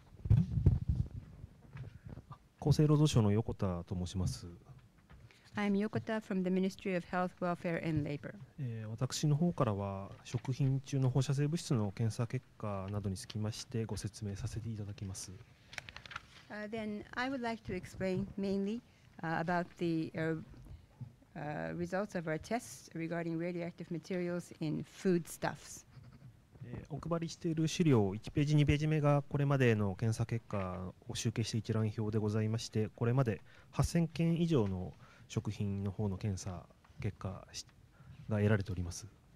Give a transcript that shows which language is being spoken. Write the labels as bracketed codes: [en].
[ja] Ah, 厚生労働省の横田と申します。 [en] I'm Yokota from the Ministry of Health, Welfare and Labor. [ja] 私の方からは食品中の放射性物質の検査結果などにつきましてご説明させていただきます。 [en] Then I would like to explain mainly, about the, results of our tests regarding radioactive materials in foodstuffs. [ja] お配りしている資料1ページ2ページ目がこれまでの検査結果を集計した一覧表でございまして、これまで8000件以上の食品の方の検査結果が得られております。